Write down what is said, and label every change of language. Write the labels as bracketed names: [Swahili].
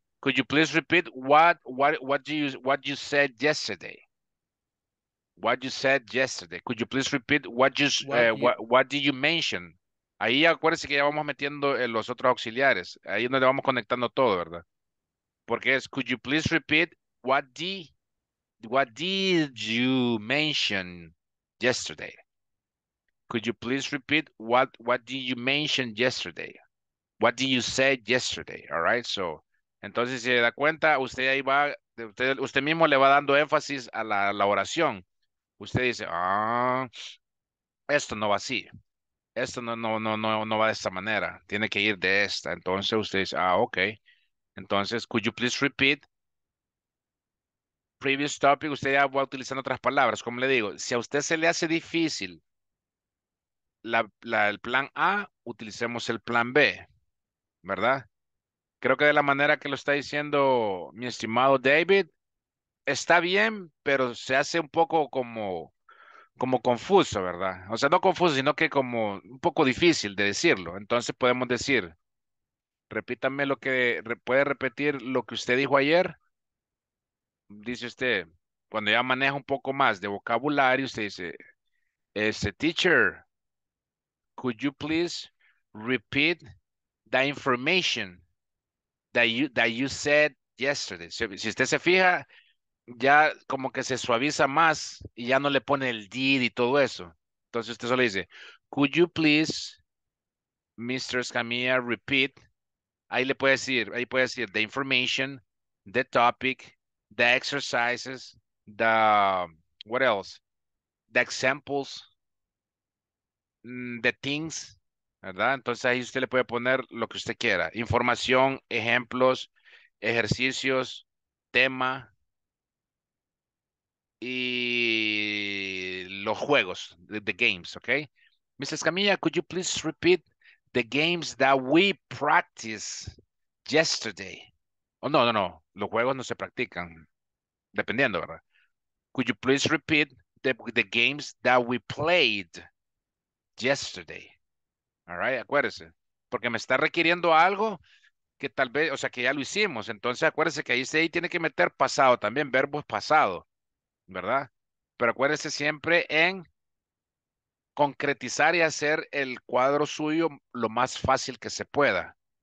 [English] Could you please repeat what you said yesterday? What you said yesterday? Could you please repeat what did you mention? [Spanish] Ahí acuérdense que ya vamos metiendo los otros auxiliares. Ahí es donde vamos conectando todo, ¿verdad? Porque es [English] could you please repeat what did you mention yesterday? Could you please repeat what did you mention yesterday? What did you say yesterday? All right. [Spanish] So, entonces si se da cuenta, usted ahí va, usted mismo le va dando énfasis a la oración. Usted dice, ah, esto no va así. Esto no va de esta manera. Tiene que ir de esta. Entonces usted dice, ah, [English] okay. Entonces, could you please repeat previous topic? [Spanish] Usted ya va utilizando otras palabras. Como le digo, si a usted se le hace difícil el plan A, utilicemos el plan B, ¿verdad? Creo que de la manera que lo está diciendo mi estimado David, está bien, pero se hace un poco como confuso, ¿verdad? O sea, no confuso, sino que como un poco difícil de decirlo. Entonces podemos decir, repítame ¿puede repetir lo que usted dijo ayer? Dice usted, cuando ya maneja un poco más de vocabulario, usted dice... [English] Teacher, could you please repeat the information that you said yesterday? [Spanish] Si usted se fija, ya como que se suaviza más y ya no le pone el did y todo eso. Entonces usted solo dice, [English] could you please, [Spanish] Mr. [English] Escamilla, repeat? [Spanish] Ahí puede decir [English] the information, the topic, the exercises, the what else? The examples, the things, ¿verdad? [Spanish] Entonces ahí usted le puede poner lo que usted quiera. Información, ejemplos, ejercicios, tema y los juegos, [English] the games, okay? [Spanish] Mrs. [English] Escamilla, could you please repeat the games that we practiced yesterday? Oh, no. [Spanish] Los juegos no se practican. Dependiendo, ¿verdad? [English] Could you please repeat the games that we played yesterday? All right, [Spanish] acuérdese. Porque me está requiriendo algo que tal vez, o sea, que ya lo hicimos. Entonces, acuérdese que ahí tiene que meter pasado también, verbos pasado, ¿verdad? Pero acuérdese siempre en concretizar y hacer el cuadro suyo lo más fácil que se pueda.